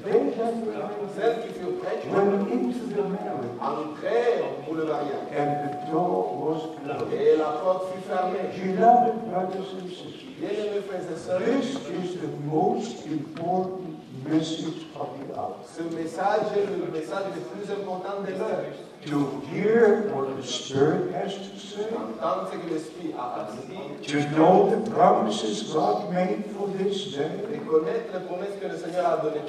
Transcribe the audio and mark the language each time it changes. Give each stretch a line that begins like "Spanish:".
English: they that were ready,
French: celles qui furent prêtes,
English: went into the marriage,
French: entrèrent pour le mariage,
English: and the door was closed.
French: Et la porte fut fermée.
English: You know, brothers and sisters,
French: bien-aimés frères et sœurs,
English: this is the most important message of the hour.
French: Ce message est le message le plus important de l'heure.
English: To hear what the Spirit has to say.
French: Entendre que l'Esprit a à dire.
English: To know the promises God made for this day.
French: Reconnaître les promesses que le Seigneur a données.